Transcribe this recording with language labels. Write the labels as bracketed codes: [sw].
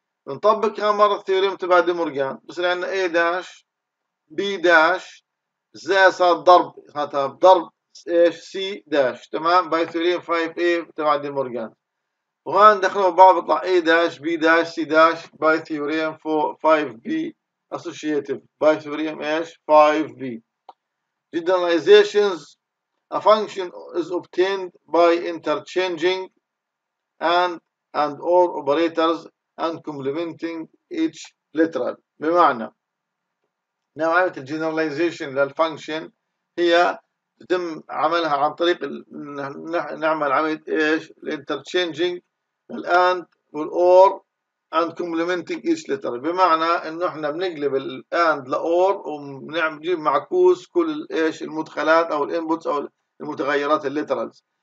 [ar] بنطبق كم مره الثيوريم تبع دي مورجان، بصير عندنا اي داش بي داش زائد صارت ضرب ضرب ايش سي داش، تمام، باي ثيوريم 5 اي تبع دي مورجان. وهون دخلوا ببعض بيطلع اي داش بي داش سي داش باي ثيوريم 5 بي associative by theorem ايش 5b. [en] generalizations a function is obtained by interchanging and or operators and complementing each literal. [ar] بمعنى نوعية الجنراليزيشن generalization للfunction هي تتم عملها عن طريق نعمل عملية ايش interchanging الand والor [en] and complementing each letter، [ar] بمعنى انه احنا بنقلب الـ and لـ or وبنجيب معكوس كل ايش المدخلات او الـ inputs او المتغيرات الـ literals.